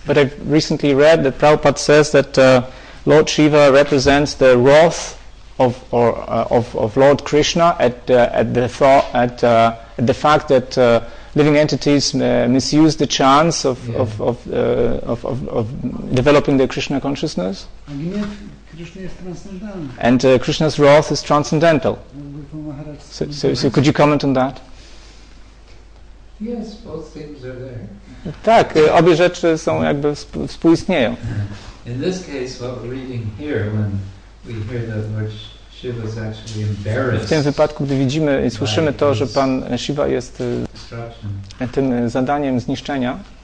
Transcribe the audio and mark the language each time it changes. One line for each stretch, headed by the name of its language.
English: But I've recently read that Prabhupada says that Lord Shiva represents the wrath of Lord Krishna at the fact that living entities misuse the chance of developing their Krishna consciousness.
Polish: A gniew Krishna jest transcendentalny.
English: And Krishna's wrath is transcendental. So could you comment on that? Yes, both things are there.
Polish: Tak, obie rzeczy są jakby współistnieją.
English: In this case, what we're reading here, when we hear that Lord Shiva is actually embarrassed.
Polish: W tym wypadku, gdy widzimy i słyszymy to, że Pan Shiva jest tym zadaniem zniszczenia.